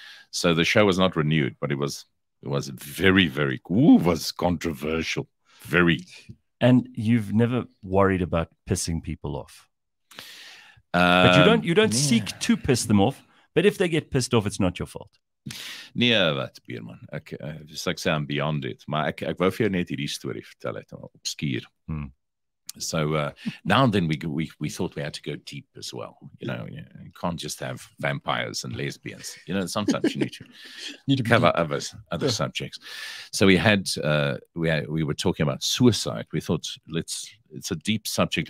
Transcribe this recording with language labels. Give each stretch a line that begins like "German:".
English: So the show was not renewed, but it was very, very was controversial. Very. And you've never worried about pissing people off. But you don't seek to piss them off, but if they get pissed off, it's not your fault.
Afrikaans: Nee, wat, Bierman. Ek sal sê
English: I'm beyond it,
Afrikaans: maar ek wou vir jou net hierdie storie vertel het op skuur.
English: So now and then we thought we had to go deep as well. You know, you can't just have vampires and lesbians. You know, sometimes you need to cover other subjects. So we were talking about suicide. We thought it's a deep subject.